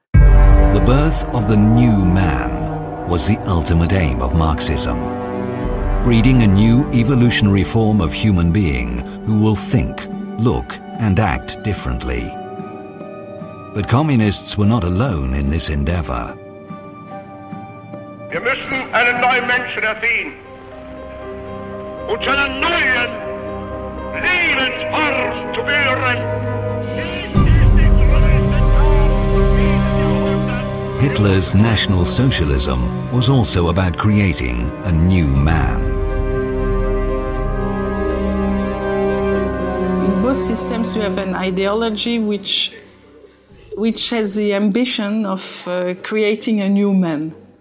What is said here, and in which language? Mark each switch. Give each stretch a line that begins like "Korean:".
English: The birth of the new man was the ultimate aim of Marxism, breeding a new evolutionary form of human being who will think, look, and act differently. But communists were not alone in this endeavor.
German: Wir müssen einen neuen Menschen erziehen und einen neuen Lebensform zu führen.
English: Hitler's National Socialism was also about creating a new man. In both systems, you have an ideology which has the ambition of creating a new man.